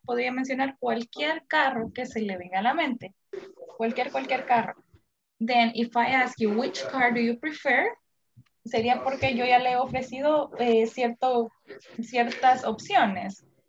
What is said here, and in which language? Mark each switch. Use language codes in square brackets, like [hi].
[es] Podría mencionar cualquier carro que se le venga a la mente. Cualquier carro. [en] Then, if I ask you, which car do you prefer? [es] Sería porque yo ya le he ofrecido ciertas opciones.